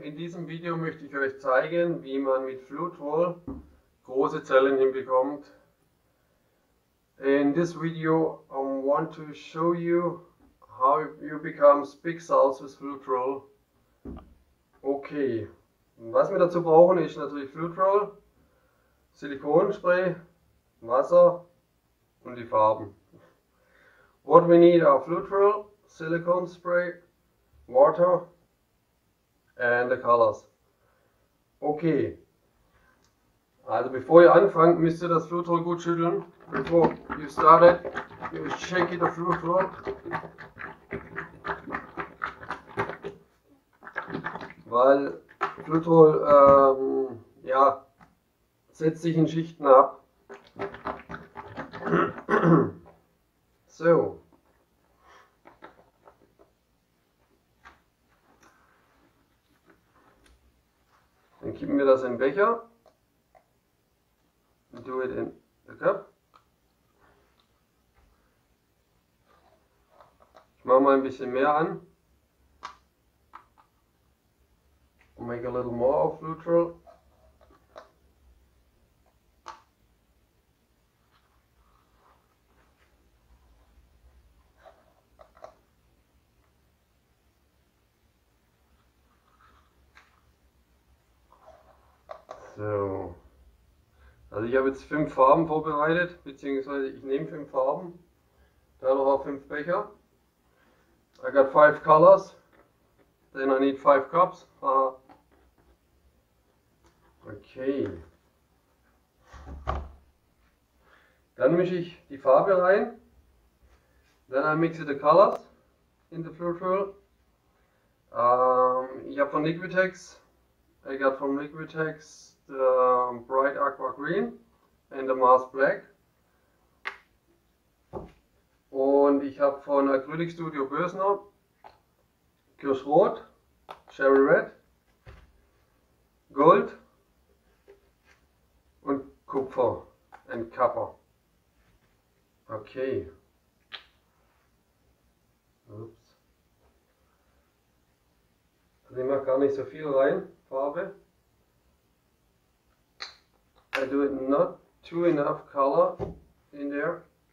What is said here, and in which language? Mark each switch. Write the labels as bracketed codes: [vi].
[de] In diesem Video möchte ich euch zeigen, wie man mit Flutwall große Zellen hinbekommt. [en] In this video, I want to show you how you become big cells with Flutwall. [de] Okay, was wir dazu brauchen, ist natürlich Flutwall, Silikonspray, Wasser und die Farben. [en] What we need are Flutwall, Silicone Spray, Water and the colors. Okay. [de] Also bevor ihr anfangt, müsst ihr das Flutwall gut schütteln. [en] Before you start it, you shake it the Flutwall. [de] Weil Flutwall ja, setzt sich in Schichten ab. So. Dann kippen wir das in den Becher. [en] Do it in the cup. [de] Ich mache mal ein bisschen mehr an. [en] Make a little more of neutral. [de] So, also ich habe jetzt fünf Farben vorbereitet, beziehungsweise ich nehme fünf Farben, da noch auf fünf Becher. [en] I got five colors, then I need five cups. Okay. [de] Dann mische ich die Farbe rein. [en] Then I mix the colors in the Flutwell. [de] Ich habe von Liquitex, [en] I got from Liquitex. The Bright Aqua Green and the Mars Black. [de] Und ich habe von Acrylic Studio Bösner Kirschrot, [en] Cherry Red, [de] Gold und Kupfer [en] and Copper. Okay. Oops. [de] Also ich mache gar nicht so viel rein, Farbe. [en] I do it not too enough color in there.